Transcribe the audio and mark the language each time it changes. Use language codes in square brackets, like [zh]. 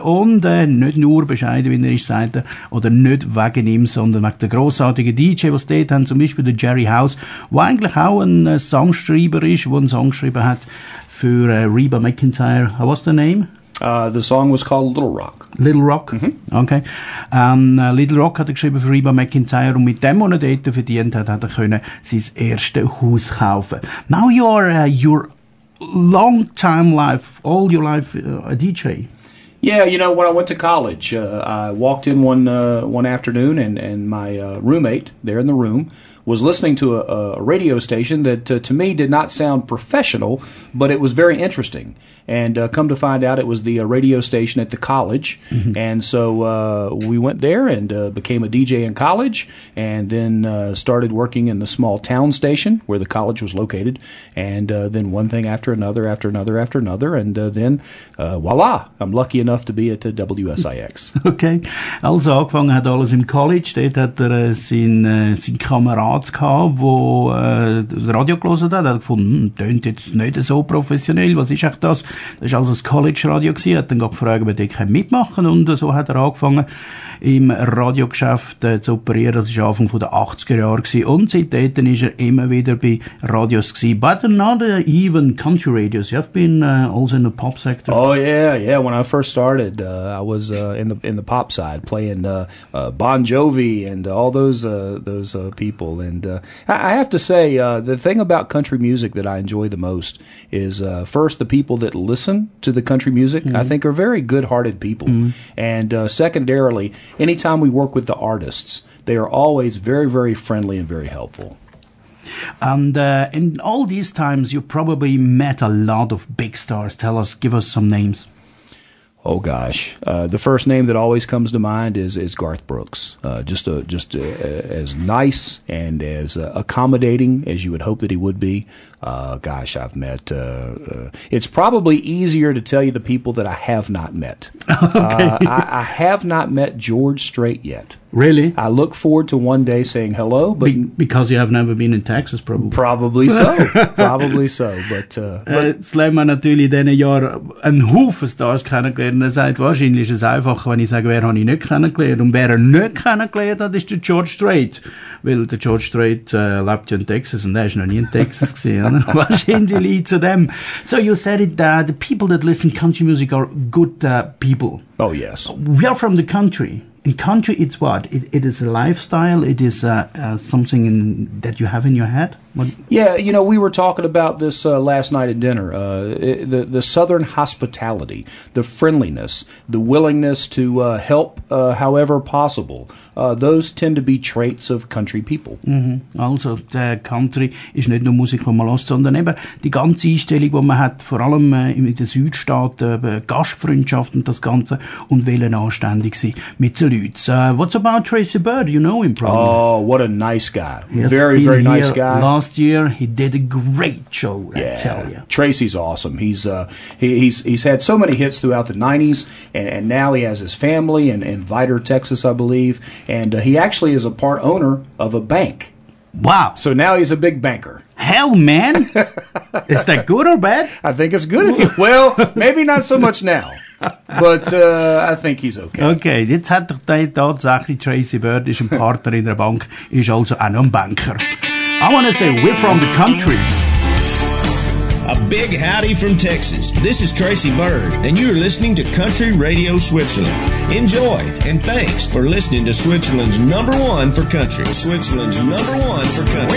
[de] Und nicht nur bescheiden, wie er ist, sagt er, oder nicht wegen ihm, sondern wegen der grossartigen DJ, die es dort haben, zum Beispiel der Jerry House, wo eigentlich auch ein Songschreiber ist, der einen Song geschrieben hat für Reba McEntire. [en] What's the name? The song was called Little Rock. Little Rock? Mm-hmm. Okay. Little Rock hat er geschrieben für Reba McEntire und mit dem, was er dort verdient hat, hat er können sein erstes Haus kaufen. Now you are your long time life, all your life a DJ. Yeah, you know, when I went to college, I walked in one afternoon and my roommate there in the room was listening to a radio station that, to me, did not sound professional, but it was very interesting. And come to find out, it was the radio station at the college. Mm-hmm. And so we went there and became a DJ in college and then started working in the small town station where the college was located. And then one thing after another, after another, after another. And then, voila, I'm lucky enough to be at WSIX. [de] Okay. Also, angefangen hat alles im College. Dort hat er sein Kamerad gehabt, wo das Radio gelesen hat. Er hat gefunden, tönt jetzt nicht so professionell. Was ist echt das? Das war also das College-Radio. Er hat dann gefragt, ob er dort mitmachen kann. Und so hat er angefangen, im Radiogeschäft zu operieren. Das war Anfang der 80er Jahre. Und seitdem war er immer wieder bei Radios. [en] But not even country radios. You have been also in the pop sector. Oh, yeah, yeah. When I first started, I was in the pop side, playing Bon Jovi and all those people. And I have to say, the thing about country music that I enjoy the most is, first, the people that listen to the country music, mm-hmm. I think, are very good-hearted people. Mm-hmm. And secondarily, anytime we work with the artists, they are always very, very friendly and very helpful. And in all these times, you probably met a lot of big stars. Tell us, give us some names. Oh, gosh. The first name that always comes to mind is Garth Brooks. Just as nice and as accommodating as you would hope that he would be. Gosh, I've met... it's probably easier to tell you the people that I have not met. Okay. I have not met George Strait yet. Really? I look forward to one day saying hello, but... Because you have never been in Texas, probably. Probably so. Probably so, but... [de] Slam man natürlich diesen Jahren einen Haufen Stars kennengelernt. Er sagt, wahrscheinlich ist es einfacher, wenn ich sage, wer habe ich nicht kennengelernt. Und wer er nicht kennengelernt hat, ist der George Strait. Weil der George Strait lebt ja in Texas und er ist noch nie in Texas gewesen. Wahrscheinlich leads to them. [en] So you said it that the people that listen to country music are good people. Oh, yes. We are from the country. In country, it's what? It is a lifestyle. It is something that you have in your head. What? Yeah, you know, we were talking about this last night at dinner. The Southern hospitality, the friendliness, the willingness to help however possible, those tend to be traits of country people. Mm-hmm. [de] Also, der Country ist nicht nur Musik, die man hört, sondern eben die ganze Einstellung, die man hat, vor allem in den Südstaaten, Gastfreundschaft und das Ganze, und wollen anständig sein mit den Leuten. [en] What's about Tracy Byrd? You know him probably. Oh, what a nice guy. Very, very nice guy. Last year, he did a great show, yeah. I tell you. Tracy's awesome. He's had so many hits throughout the 90s, and now he has his family in Vidor, Texas, I believe. And he actually is a part owner of a bank. Wow. So now he's a big banker. Hell, man. Is that good or bad? I think it's good. Well, maybe not so much now. But I think he's okay. [de] Okay, jetzt hat er tatsächlich Tracy Bird, ist ein Partner in der Bank, ist also auch ein Banker. [en] I want to say we're from the country. A big howdy from Texas. This is Tracy Bird, and you're listening to Country Radio Switzerland. Enjoy, and thanks for listening to Switzerland's number one for country. Switzerland's number one for country.